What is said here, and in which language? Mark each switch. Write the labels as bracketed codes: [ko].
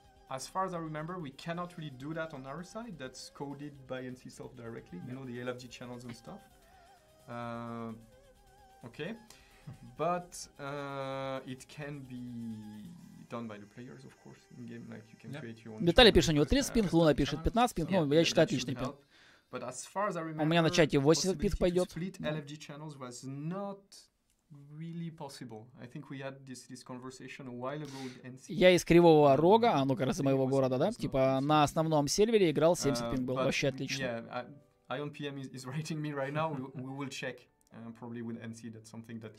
[en] As far as I remember, we cannot really do that on our side. That's coded by NCSoft directly, you know, the LFG channels and stuff. Okay. But it can be done by the players, of course, in game, like you can create your own. [ru] Виталий пишет, у него 30 пинг, Луна пишет 15 пинг, ну, я считаю, отличный пинг. [en] But as far as I remember, [ru] у меня на чате 8 пинг пойдет. [en] Split LFG channels was not really possible. I think we had this conversation a while ago with NC. [ru] Я из Кривого Рога, а ну, кажется, моего города, да? Типа, на основном сервере играл 70 пинг, был вообще отлично. [en] Yeah, Ion PM is writing me right now, we will check. Probably with NC, that's something that